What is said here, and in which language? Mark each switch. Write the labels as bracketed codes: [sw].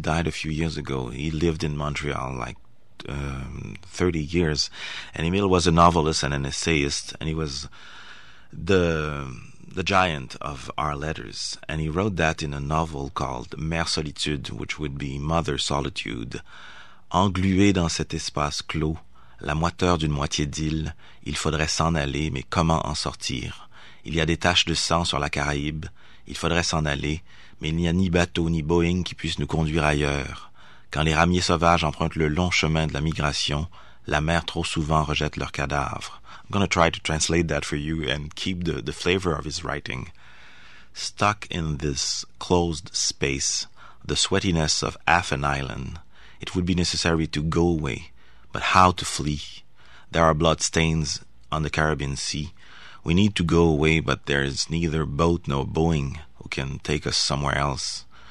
[en] He died a few years ago. He lived in Montreal like 30 years. And Émile was a novelist and an essayist, and he was the giant of our letters. And he wrote that in a novel called Mère Solitude, which would be Mother Solitude. [fr] Englué dans cet espace clos, la moiteur d'une moitié d'île, il faudrait s'en aller, mais comment en sortir? Il y a des taches de sang sur la Caraïbe. Il faudrait s'en aller, mais il n'y a ni bateau ni Boeing qui puisse nous conduire ailleurs. Quand les ramiers sauvages empruntent le long chemin de la migration, la mer trop souvent rejette leurs cadavres. [en] I'm going to try to translate that for you and keep the flavor of his writing. Stuck in this closed space, the sweatiness of half an island, it would be necessary to go away, but how to flee? There are blood stains on the Caribbean Sea. We need to go away, but there is neither boat nor Boeing who can take us somewhere else.